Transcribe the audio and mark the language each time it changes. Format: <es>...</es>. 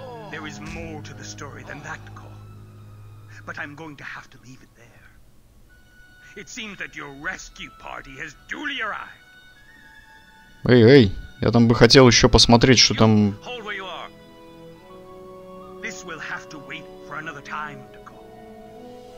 <en>There is more to the story than that, Cole. But I'm going to have to leave it there. It seems that your rescue party has duly arrived.</en> <ru>Эй, эй, я там бы хотел еще посмотреть, что там...</ru> <en>Hold where you are. This will have to wait for another time, Decor.</en>